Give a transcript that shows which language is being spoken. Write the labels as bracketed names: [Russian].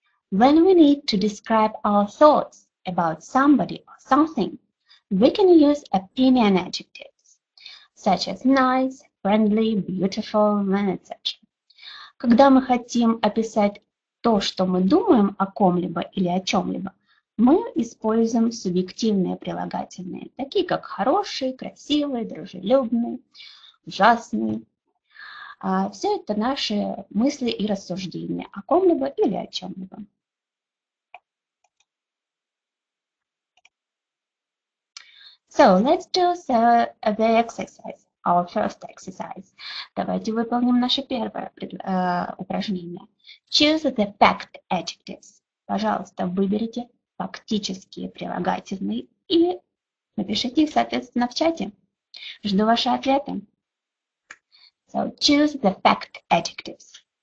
[English] When we need to describe our thoughts about somebody or something, we can use opinion adjectives, such as nice, friendly, beautiful, and etc. [Russian] Когда мы хотим описать то, что мы думаем о ком-либо или о чем-либо, мы используем субъективные прилагательные, такие как хороший, красивый, дружелюбный, ужасный. А все это наши мысли и рассуждения о ком-либо или о чем-либо. [English] So, let's do the exercise, our first exercise. [Russian] Давайте выполним наше первое упражнение. [English] Choose the fact adjectives. [Russian] Пожалуйста, выберите фактические прилагательные и напишите их, соответственно, в чате. Жду ваши ответы. [English] So, choose the fact adjectives.